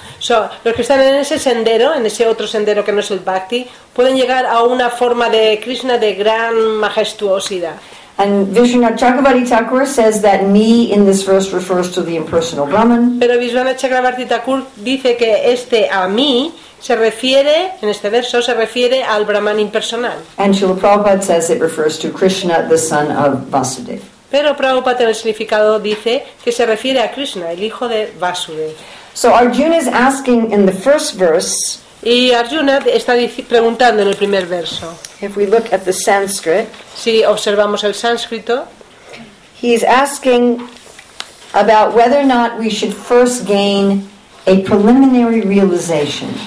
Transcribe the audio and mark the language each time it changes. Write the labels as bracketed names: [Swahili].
[Spanish] So, los que están en ese sendero, en ese otro sendero que no es el bhakti, pueden llegar a una forma de Krishna de gran majestuosidad. [English] And Vishwanath Chakravarti Thakur says that me in this verse refers to the impersonal Brahman. [Spanish] Pero Vishwanath Chakravarti Thakur dice que este a mí se refiere, en este verso, se refiere al Brahman impersonal. [English] And Srila Prabhupada says it refers to Krishna, the son of Vasudev. [Spanish] Pero Prabhupada en el significado dice que se refiere a Krishna, el hijo de Vasudev. [English] So Arjuna is asking in the first verse. [Spanish] Y Arjuna está preguntando en el primer verso. [English] If we look at the Sanskrit, [Spanish] si observamos el sánscrito, [English] he's asking about whether or not we should first gain a preliminary realization.